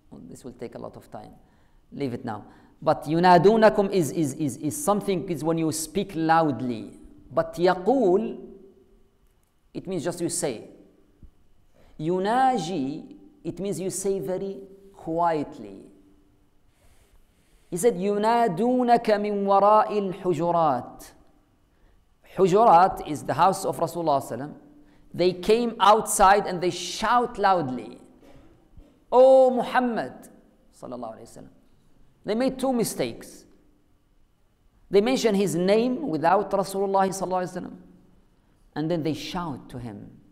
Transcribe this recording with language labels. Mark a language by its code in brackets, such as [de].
[en] This will take a lot of time. Leave it now. But يُنَادُونَكُمْ is something, is when you speak loudly. But يَقُول, it means just you say. يُنَاجِي, it means you say very quietly. He said, [ar] يُنَادُونَكَ مِنْ وَرَاءِ الْحُجُرَاتِ. [en] حُجُرَات is the house of Rasulullah sallam. They came outside and they shout loudly, Oh Muhammad sallallahu alayhi wasallam. They made two mistakes. They mentioned his name without Rasulullah sallallahu alayhi wasallam, and then they shout to him.